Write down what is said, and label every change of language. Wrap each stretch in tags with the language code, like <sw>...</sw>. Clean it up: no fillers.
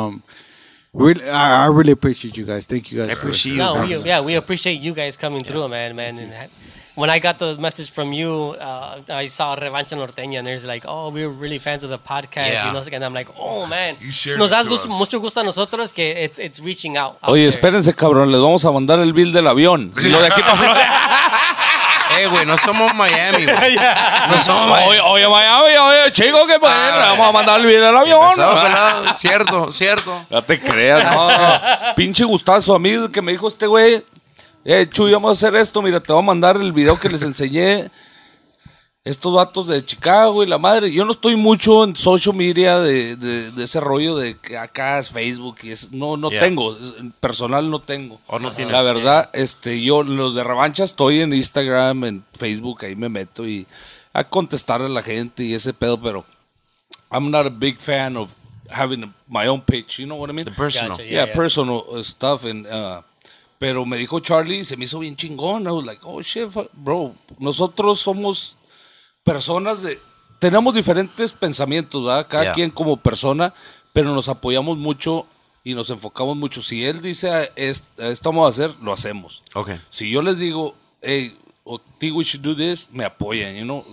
<en>I really appreciate you guys. Thank you guys. I appreciate you. We appreciate you guys coming through, man. And when I got the message from you, I saw Revancha Norteña, and there's like, oh, we're really fans of the podcast. Yeah. You know, and I'm like, oh, man.</en> <es>Nos das mucho gusto a nosotros que</es> <en>it's reaching out.</en> <es>Oye, espérense, cabrón. Les vamos a mandar el bill del avión. Y lo de aquí para afuera. Güey, no somos Miami, güey. No somos Miami. Oye, Miami, oye, chico, ¿qué pasa? Vamos a mandar el bill del avión. Cierto. No te creas, no. Pinche gustazo a mí que me dijo este güey. Chuy, vamos a hacer esto. Mira, te voy a mandar el video que les enseñé. Estos vatos de Chicago y la madre. Yo no estoy mucho en social media de ese rollo de que acá es Facebook y eso. No tengo. Personal no tengo. O no tienes. La verdad, yo los de Revancha estoy en Instagram, en Facebook. Ahí me meto y a contestar a la gente y ese pedo. Pero</es> <en>I'm not a big fan of having my own page. You know what I mean? The personal. Gotcha. Yeah, personal stuff and...</en> <es>Pero me dijo Charlie, se me hizo bien chingón.</es> <en>I was like, oh, shit, bro.</en> <es>Nosotros somos personas de... Tenemos diferentes pensamientos, ¿verdad? Cada quien como persona, pero nos apoyamos mucho y nos enfocamos mucho. Si él dice, esto vamos a hacer, lo hacemos.</es> <en>Okay.</en> <es>Si yo les digo,</es> <en>hey, think we should do this,</en> <es>me apoyan,</es> <en>you know?</en>